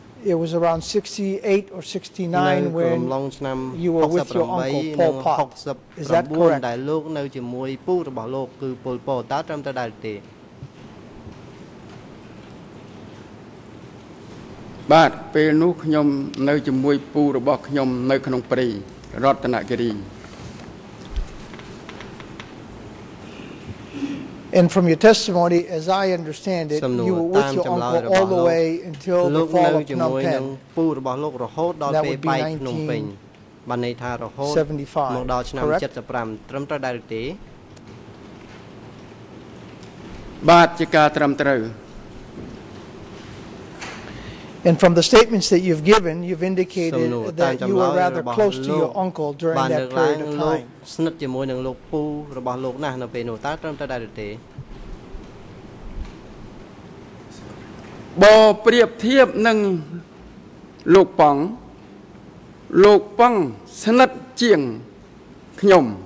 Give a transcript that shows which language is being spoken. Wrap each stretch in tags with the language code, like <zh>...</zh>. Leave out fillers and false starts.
<en>it was around 68 or 69 when you were with your uncle Pol Pot. Is that correct?</en> <km>ដែល លោក នៅ ជាមួយ ពូ របស់ លោក គឺ ពុល ពត តើ ត្រឹម តែ ដែរ ទេ បាទ ពេល នោះ ខ្ញុំ នៅ ជាមួយ ពូ របស់ ខ្ញុំ នៅ ក្នុង ព្រៃ រតនគិរី</km> <en>And from your testimony, as I understand it, you were with your uncle all the way until the fall of Phnom Penh. That would be 1975, correct? And from the statements that you've given, you've indicated that you were rather close to your uncle during that period of time.</en> <km>ស្និទ្ធជាមួយនឹងលោកពូរបស់លោកណាស់នៅពេលនោះតើត្រឹមតែដែរទេបើប្រៀបធៀបនឹងលោកប៉ង់លោកប៉ង់ស្និទ្ធជាងខ្ញុំ</km>